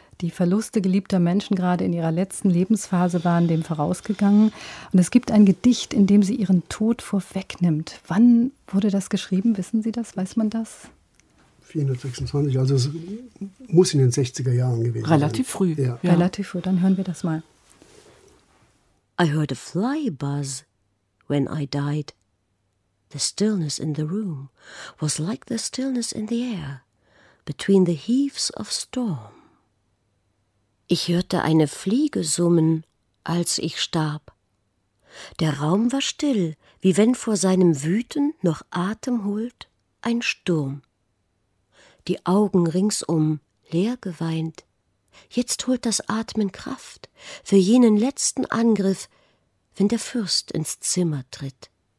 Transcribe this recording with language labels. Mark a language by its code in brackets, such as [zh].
[de] Die Verluste geliebter Menschen gerade in ihrer letzten Lebensphase waren dem vorausgegangen. Und es gibt ein Gedicht, in dem sie ihren Tod vorwegnimmt. Wann wurde das geschrieben? Wissen Sie das? Weiß man das? 426, also es muss in den 60er Jahren gewesen relativ sein. Relativ früh. Ja. Relativ früh, dann hören wir das mal. [en] I heard a fly buzz when I died. The stillness in the room was like the stillness in the air between the heaves of storm. [de] Ich hörte eine Fliege summen, als ich starb. Der Raum war still, wie wenn vor seinem Wüten noch Atem holt ein Sturm. Die Augen ringsum leer geweint. Jetzt holt das Atmen Kraft für jenen letzten Angriff, wenn der Fürst ins Zimmer tritt.